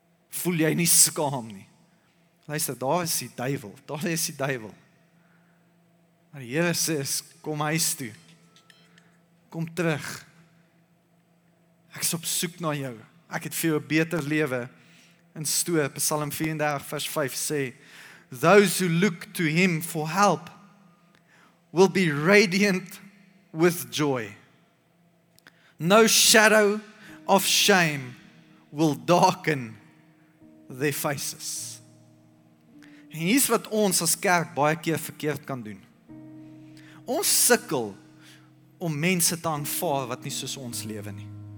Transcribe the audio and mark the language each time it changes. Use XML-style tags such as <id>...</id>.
<af>Voel jy nie skaam nie. Luister, daar is die duivel. Maar die Here sê, kom huis toe. Kom terug. Ek is op soek na jou. Ek het vir jou 'n beter lewe in stoor. Psalm 34 vers 5 sê,</af> <en>Those who look to him for help will be radiant with joy. No shadow of shame will darken their faces.</en> <af>En hier is wat ons as kerk baie keer verkeerd kan doen. Ons sukkel om mense te aanvaar wat nie soos ons lewe nie.</af>